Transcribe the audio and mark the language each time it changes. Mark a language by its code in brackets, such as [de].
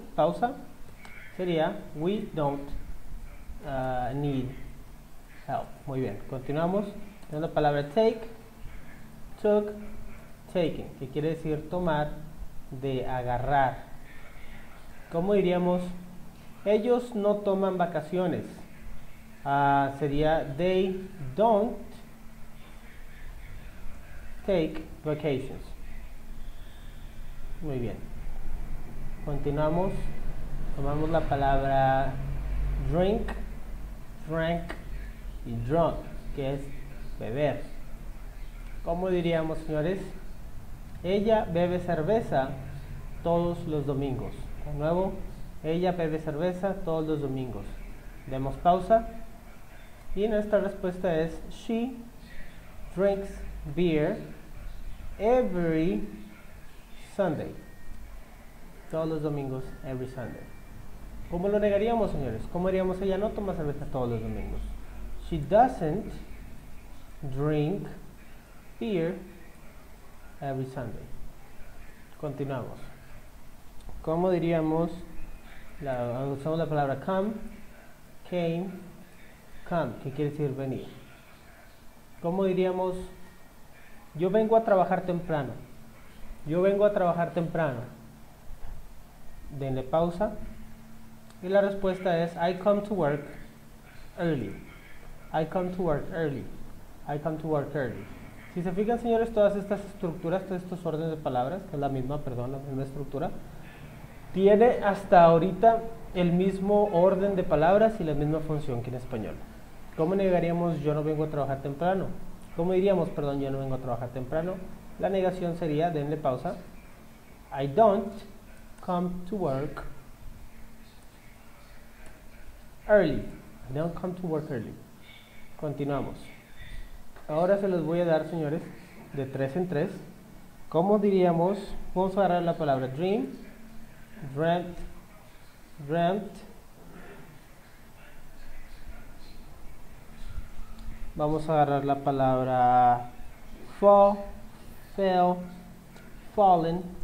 [es] Pausa. Sería, [en] we don't need help. [es] Muy bien. Continuamos. Tenemos la palabra take, took, taken, que quiere decir tomar, de agarrar. ¿Cómo diríamos? Ellos no toman vacaciones. Sería, [en] they don't take vacations. [es] Muy bien. Continuamos. Tomamos la palabra drink, drank y drunk, que es beber. ¿Cómo diríamos, señores? Ella bebe cerveza todos los domingos. De nuevo, ella bebe cerveza todos los domingos. Demos pausa. Y nuestra respuesta es, [en] she drinks beer every Sunday. [es] Todos los domingos, [en] every Sunday. [es] ¿Cómo lo negaríamos, señores? ¿Cómo diríamos, ella no toma cerveza todos los domingos? [en] She doesn't drink beer every Sunday. [es] Continuamos. ¿Cómo diríamos? Usamos la palabra come, came, come, que quiere decir venir. ¿Cómo diríamos? Yo vengo a trabajar temprano. Yo vengo a trabajar temprano. Denle pausa. Y la respuesta es, [en] I come to work early. I come to work early. I come to work early. [es] Si se fijan, señores, todas estas estructuras, todos estos órdenes de palabras, que es la misma, perdón, la misma estructura, tiene hasta ahorita el mismo orden de palabras y la misma función que en español. ¿Cómo negaríamos yo no vengo a trabajar temprano? ¿Cómo diríamos, perdón, yo no vengo a trabajar temprano? La negación sería, denle pausa. [en] I don't come to work early. I don't come to work early. [es] Continuamos. Ahora se los voy a dar, señores, de tres en tres. ¿Cómo diríamos? Vamos a agarrar la palabra dream, dreamt, dreamt. Vamos a agarrar la palabra fall, fell, fallen.